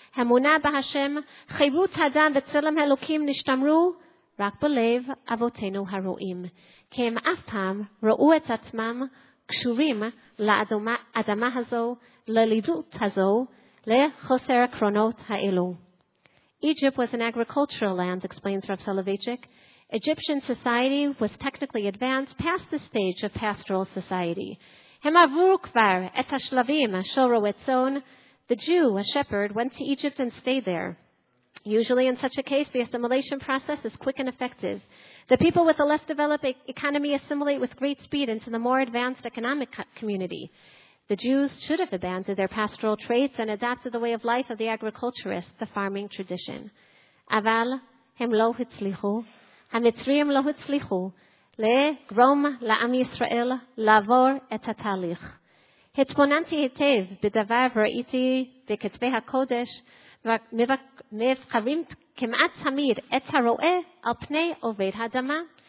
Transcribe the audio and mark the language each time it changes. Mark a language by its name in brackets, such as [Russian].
[Hebrew] אמונה בהשם, חירות האדם וצלם האלוקים נשתמרו רק בלב אבותינו הרועים. כי הם אף פעם ראו את עצמם קשורים לאדמה הזו, ללידות הזו, לחוסר הקרונות האלו. [English] Egypt was an agricultural land, explains Rav Soloveitchik. Egyptian society was technically advanced past the stage of pastoral society. [Hebrew] הם עברו כבר את השלבים של רועי צאן. [English] The Jew, a shepherd, went to Egypt and stayed there. Usually in such a case, the assimilation process is quick and effective. The people with a less developed economy assimilate with great speed into the more advanced economic community. The Jews should have abandoned their pastoral traits and adapted the way of life of the agriculturist, the farming tradition. [Hebrew] אבל הם לא הצליחו, המצרים לא הצליחו, לגרום לעם ישראל לעבור את התהליך. התבוננתי היטב בדבר וראיתי בכתבי הקודש, מבחרים כמעט תמיד את הרועה על פני עובד האדמה.